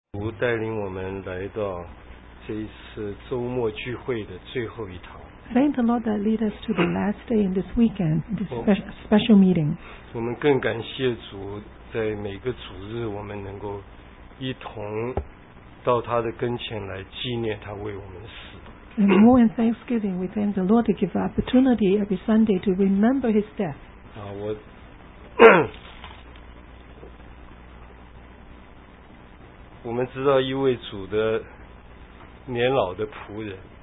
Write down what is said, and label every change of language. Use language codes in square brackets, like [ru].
[zh] 主带领我们来到这一次周末聚会的最后一堂。 [en] Thank the Lord that lead us to the last day in this weekend, this special meeting. [zh] 我们更感谢主，在每个主日我们能够一同到他的跟前来纪念他为我们死。 [en] And more in thanksgiving, we thank the Lord to give opportunity every Sunday to remember His death. [zh] 啊，我我们知道一位主的年老的仆人。